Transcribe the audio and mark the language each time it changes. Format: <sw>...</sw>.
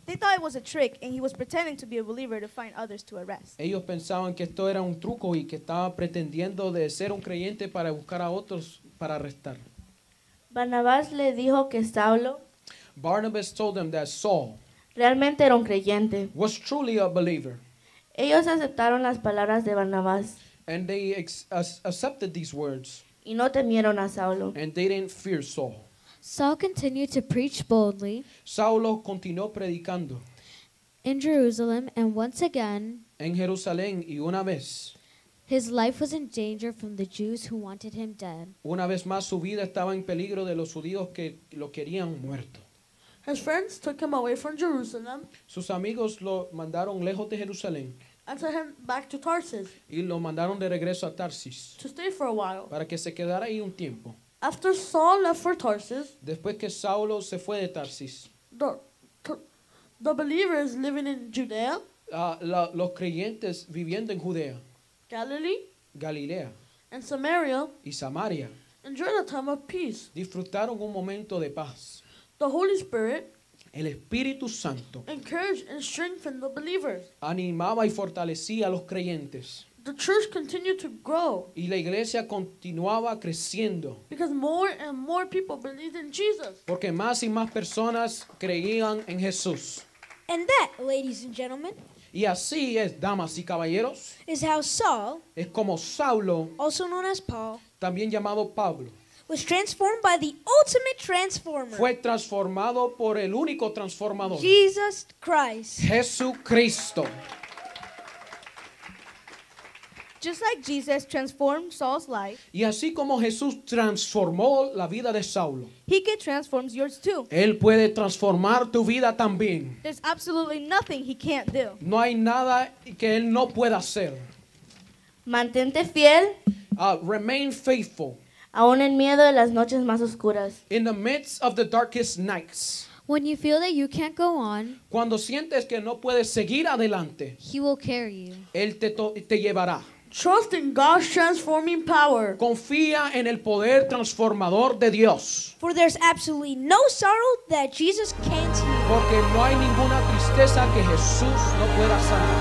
<en>They thought it was a trick and he was pretending to be a believer to find others to arrest.</en> <es>Ellos pensaban que esto era un truco y que estaba pretendiendo de ser un creyente para buscar a otros para arrestar. Barnabas le dijo que Saulo,</es> <en>Barnabas told them that Saul,</en> <es>realmente era un creyente,</es> <en>was truly a believer.</en> <es>Ellos aceptaron las palabras de Barnabas.</es> <en>And they accepted these words.</en> <es>Y no temieron a Saulo.</es> <en>And they didn't fear Saul. Saul continued to preach boldly.</en> <es>Saulo continuó predicando.</es> <en>In Jerusalem, and once again.</en> <es>En Jerusalén, y una vez.</es> <en>His life was in danger from the Jews who wanted him dead.</en> <es>Una vez más, su vida estaba en peligro de los judíos que lo querían muerto.</es> <en>His friends took him away from Jerusalem.</en> <es>Sus amigos lo mandaron lejos de Jerusalén.</es> <en>And sent him back to Tarsus.</en> <es>Y lo mandaron de regreso a Tarsis.</es> <en>To stay for a while.</en> <es>Para que se quedara ahí un tiempo.</es> <en>After Saul left for Tarsus.</en> <es>Después que Saulo se fue de Tarsis.</es> <en>The believers living in Judea.</en> <es>Los creyentes viviendo en Judea.</es> <en>Galilee.</en> <es>Galilea.</es> <en>And Samaria.</en> <es>Y Samaria.</es> <en>Enjoyed a time of peace.</en> <es>Disfrutaron un momento de paz.</es> <en>The Holy Spirit.</en> <es>El Espíritu Santo</es> <en>encouraged and strengthened the believers.</en> <es>Animaba y fortalecía a los creyentes.</es> <en>The church continued to grow.</en> <es>Y la iglesia continuaba creciendo.</es> <en>Because more and more people believed in Jesus.</en> <es>Porque más y más personas creían en Jesús.</es> <en>And that, ladies and gentlemen,</en> <es>y así es, damas y caballeros,</es> <en>is how Saul,</en> <es>es como Saulo,</es> <en>also known as Paul,</en> <es>también llamado Pablo,</es> <en>was transformed by the ultimate transformer.</en> <es>Fue transformado por el único transformador.</es> <en>Jesus Christ.</en> <es>Jesucristo.</es> <en>Just like Jesus transformed Saul's life.</en> <es>Y así como Jesús transformó la vida de Saulo.</es> <en>He can transform yours too.</en> <es>Él puede transformar tu vida también.</es> <en>There's absolutely nothing he can't do.</en> <es>No hay nada que él no pueda hacer. Mantente fiel.</es> <en>Remain faithful.</en> <es>Aún en miedo de las noches más oscuras.</es> <en>In the midst of the darkest nights. When you feel that you can't go on.</en> <es>Cuando sientes que no puedes seguir adelante.</es> <en>He will carry you.</en> <es>Él te llevará.</es> <en>Trust in God's transforming power.</en> <es>Confía en el poder transformador de Dios.</es> <en>For there's absolutely no sorrow that Jesus can't heal.</en> <es>Porque no hay ninguna tristeza que Jesús no pueda sanar.</es>